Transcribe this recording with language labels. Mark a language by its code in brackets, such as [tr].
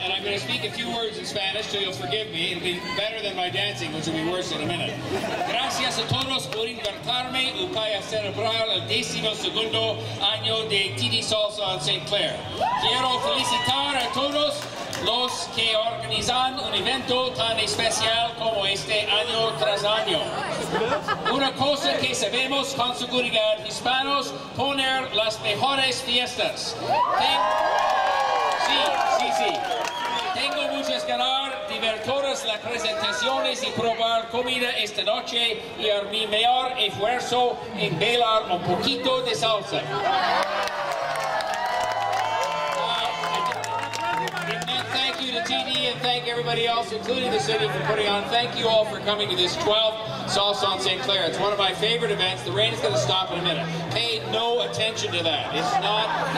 [en] And I'm going to speak a few words in Spanish, so you'll forgive me. It'll be better than my dancing, which will be worse in a minute. [es] Gracias a todos por invitarme para celebrar el 12º año de TD Salsa en St. Clair. Quiero felicitar a todos los que organizan un evento tan especial como este año tras año. Una cosa que sabemos con seguridad, hispanos, poner las mejores fiestas. Sí. Tengo muchas ganas de ver todas las presentaciones y probar comida esta noche y a mi mayor esfuerzo en bailar un poquito de salsa. [en] TD and thank everybody else, including the city, for putting on. Thank you all for coming to this 12th Salsa on St. Clair. It's one of my favorite events. The rain is going to stop in a minute. Pay no attention to that.